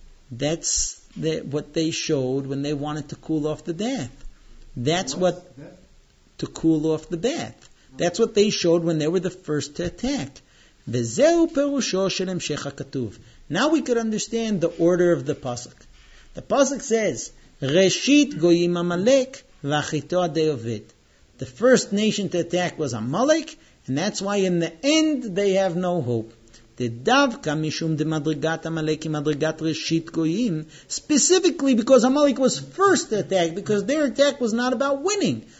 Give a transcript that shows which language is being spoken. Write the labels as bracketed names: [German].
[English] That's what they showed when they wanted to cool off the bath. To cool off the bath. That's what they showed when they were the first to attack. [Hebrew] וזהו פירושו של המשך הכתוב. [English] Now we could understand the order of the pasuk. The pasuk says, [Hebrew] "Reshit goyim amalek v'achito adei ovid." [English] The first nation to attack was Amalek, and that's why in the end they have no hope. The [Hebrew] davka mishum de madrigat Amalek madrigat reshit goyim, [English] specifically because Amalek was first attacked, because their attack was not about winning.